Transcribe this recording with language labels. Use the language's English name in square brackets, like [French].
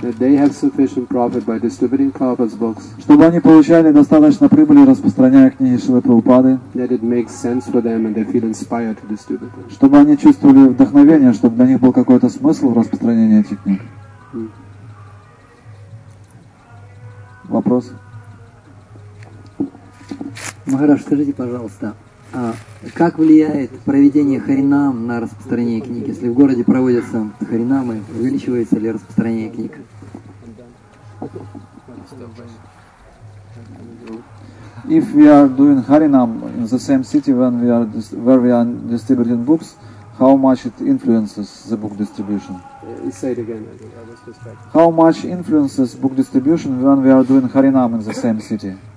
[English] that they have sufficient profit by distributing Prabhupada's books, [Russian] чтобы они получали достаточно прибыли, распространяя книги Шрилы Прабхупады, [English] that it makes sense for them and they feel inspired to distribute them. [Russian] Чтобы они чувствовали вдохновение, чтобы для них был какой-то смысл в распространении этих книг. Вопрос? Махарадж, скажите, пожалуйста, как влияет проведение харинам на распространение книг? Если в городе проводятся харинамы, увеличивается ли распространение книг? [English] If we are doing harinam in the same city when we are where we are distributing books, how much it influences the book distribution? Say it again. I was distracted. How much influences book distribution when we are doing harinam in the same city?